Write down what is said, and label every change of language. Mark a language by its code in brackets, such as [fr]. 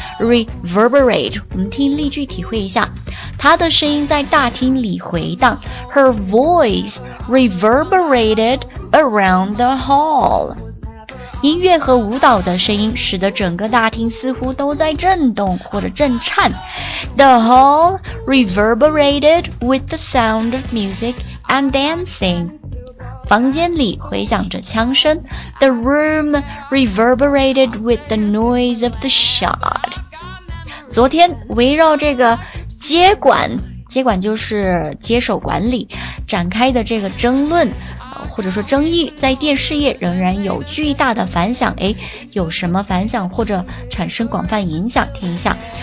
[zh] Reverberate， 我们听例句体会一下，她的声音在大厅里回荡。 [en] Her voice reverberated around the hall。 [zh] 音乐和舞蹈的声音使得整个大厅似乎都在震动或者震颤。 [en] The hall reverberated with the sound of music and dancing. [zh] 房间里回响着枪声。 [en] The room reverberated with the noise of the shot. [zh] 昨天围绕这个接管就是接手管理，展开的这个争论或者说争议在电视业仍然有巨大的反响。诶，有什么反响或者产生广泛影响，听一下。